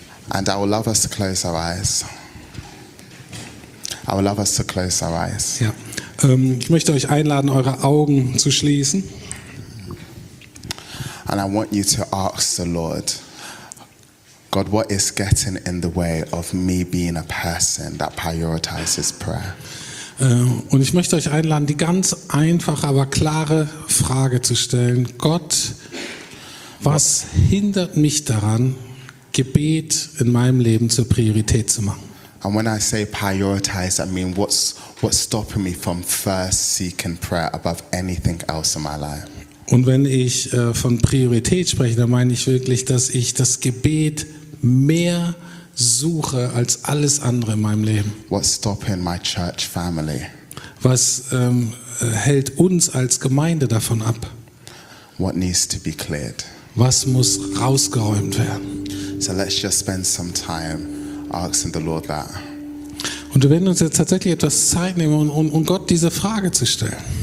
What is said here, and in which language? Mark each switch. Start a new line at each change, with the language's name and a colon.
English: And I would love us to close our eyes. I would love us to close our eyes.
German: Ja. Ich möchte euch einladen, eure Augen zu schließen.
English: And I want you to ask the Lord, God, what is getting in the way of me being a person that prioritizes prayer?
German: Und ich möchte euch einladen, die ganz einfache, aber klare Frage zu stellen. Gott, was hindert mich daran, Gebet in meinem Leben zur Priorität zu machen?
English: And when I say prioritize, I mean what's stopping me from first seeking prayer above anything else in my life?
German: Und wenn ich von Priorität spreche, dann meine ich wirklich, dass ich das Gebet mehr suche als alles andere in meinem Leben.
English: What's stopping my church family?
German: Was hält uns als Gemeinde davon ab?
English: What needs to be cleared?
German: Was muss rausgeräumt werden?
English: So let's just spend some time asking the Lord that.
German: Und wir werden uns jetzt tatsächlich etwas Zeit nehmen, um Gott diese Frage zu stellen.